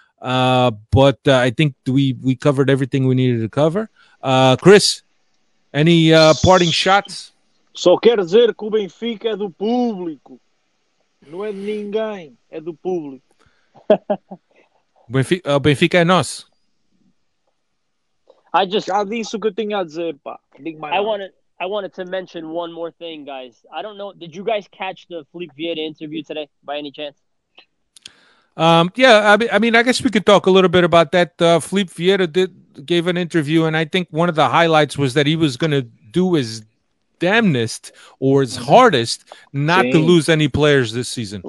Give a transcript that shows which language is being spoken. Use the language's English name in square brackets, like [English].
[English] But I think we covered everything we needed to cover. Chris, any parting shots? [Portuguese] Só quer dizer que o Benfica é do público. Não é de ninguém, é do público. O Benfica é nosso. Já disse o que eu tinha a dizer, pá. [English] I wanted to mention one more thing, guys. I don't know. Did you guys catch the Felipe Vieira interview today, by any chance? Yeah, I mean, I guess we could talk a little bit about that. Felipe Vieira gave an interview, and I think one of the highlights was that he was going to do his damnest or his hardest not to lose any players this season.